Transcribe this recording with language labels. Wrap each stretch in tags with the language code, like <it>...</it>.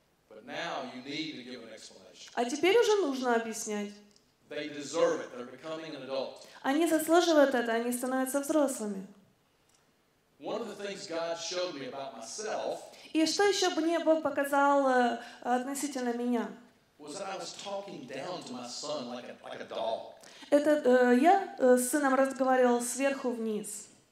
<en>But now you need to give an explanation.</en> <ru>А теперь уже нужно объяснять.</ru> <en>They deserve it. They're becoming an adult.</en> <ru>Они заслуживают это, они становятся взрослыми.</ru> <en>One of the things God showed me about myself,</en> <ru>и что еще бы мне Бог показал относительно меня?</ru> <en>Was that I was talking down to my son like a dog.</en> <ru>Это я с сыном разговаривал сверху вниз.</ru>